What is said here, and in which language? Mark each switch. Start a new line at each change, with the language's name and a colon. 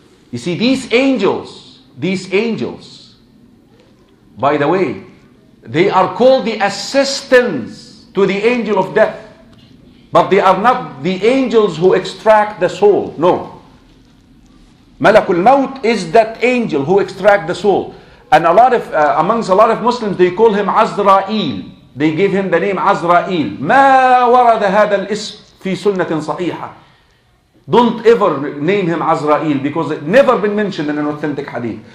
English: You see, these angels, by the way, they are called the assistants to the angel of death. But they are not the angels who extract the soul. No. Malakul Maut is that angel who extract the soul. And amongst a lot of Muslims, they call him Azrael. They gave him the name Azrael.
Arabic: ما ورد هذا الاسم في سنة صحيحة.
English: Don't ever name him Azrael because it never been mentioned in an authentic hadith.